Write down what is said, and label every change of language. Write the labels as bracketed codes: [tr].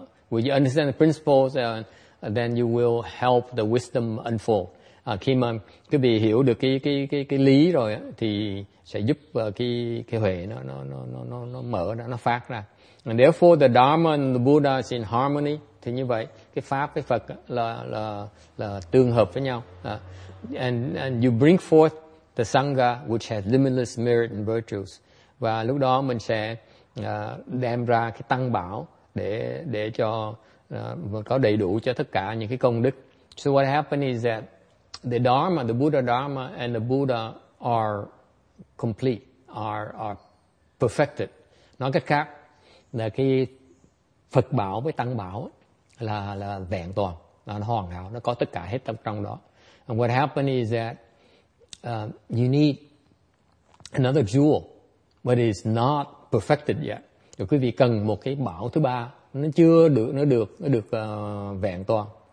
[en] When you understand the principles, then you will help the wisdom unfold. [vi] Khi mà quý vị hiểu được cái lý rồi á, thì sẽ giúp cái huệ nó mở ra, nó phát ra. [en] And therefore, the Dharma and the Buddha is in harmony. [vi] Thì như vậy, cái pháp với Phật là tương hợp với nhau. [en] And you bring forth the Sangha, which has limitless merit and virtues. [vi] Và lúc đó mình sẽ đem ra cái tăng bảo để cho có đầy đủ cho tất cả những cái công đức. [en] So what happened is that the Dharma, the Buddha Dharma and the Buddha are complete, are perfected. [vi] Nói cách khác là cái Phật bảo với tăng bảo là vẹn toàn, là nó hoàn hảo, nó có tất cả hết trong đó. [en] And what happened is that you need another jewel, but it's not perfected yet. [vi] Rồi quý vị cần một cái bảo thứ ba, nó chưa được, nó được vẹn toàn.